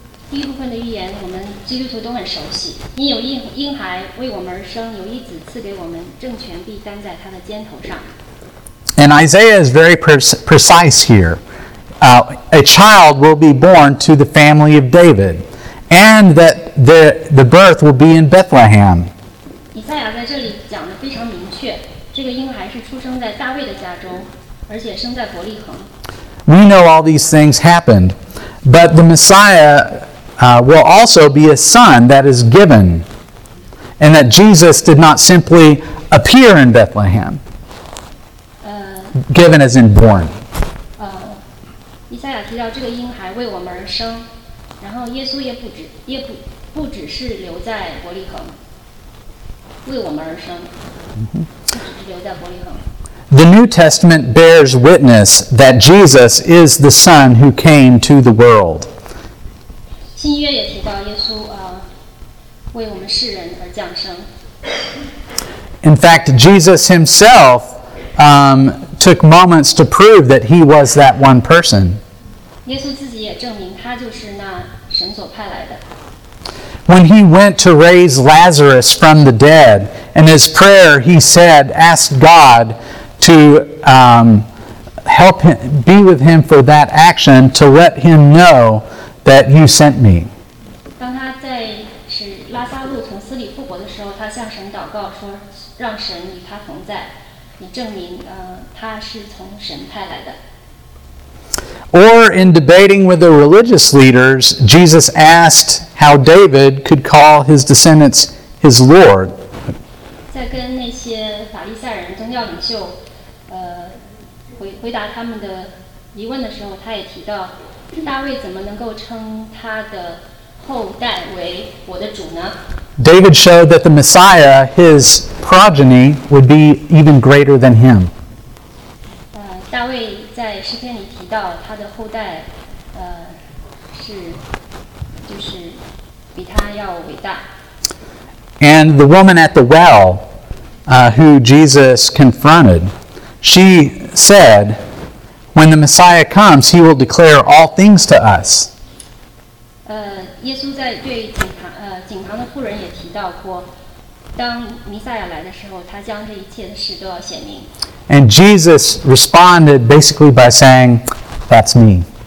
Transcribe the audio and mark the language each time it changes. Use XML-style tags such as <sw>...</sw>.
<zh>第一部分的预言，我们基督徒都很熟悉。因有婴孩为我们而生，有一子赐给我们，政权必担在他的肩头上。</zh> <en>And Isaiah is very precise here. A child will be born to the family of David, and that the birth will be in Bethlehem.</en> <zh>以赛亚在这里讲得非常明确，这个婴孩是出生在大卫的家中，而且生在伯利恒。</zh> <en>We know all these things happened, but the Messiah will also be a son that is given, and that Jesus did not simply appear in Bethlehem. Given as in born.</en> <zh>以赛亚提到这个婴孩为我们而生，然后耶稣也不只是留在伯利恒，为我们而生，不只是留在伯利恒。</zh> <en>The New Testament bears witness that Jesus is the Son who came to the world.</en> <zh>新约也提到耶稣为我们世人而降生。</zh> <en>In fact, Jesus himself took moments to prove that he was that one person.</en> <zh>耶稣自己也证明他就是那神所派来的。</zh> <en>When he went to raise Lazarus from the dead, in his prayer he said, ask God to help him, be with him for that action, to let him know that you sent me.</en> <zh>当他在使拉撒路从死里复活的时候，他向神祷告说，让神与他同在，以证明他是从神派来的。</zh> <en>Or in debating with the religious leaders, Jesus asked how David could call his descendants his Lord.</en> <zh>在跟那些法利赛人宗教领袖回答他们的疑问的时候，他也提到大卫怎么能够称他的后代为我的主呢？</zh> <en>David showed that the Messiah, his progeny, would be even greater than him.</en> <zh>大卫在诗篇里提到他的后代是就是比他要伟大。</zh> <en>And the woman at the well, who Jesus confronted, she said, when the Messiah comes, he will declare all things to us.</en> <zh>耶稣在对井旁的妇人也提到过，当弥赛亚来的时候，他将这一切的事都要显明。</zh> <en>And Jesus responded basically by saying, that's me.</en>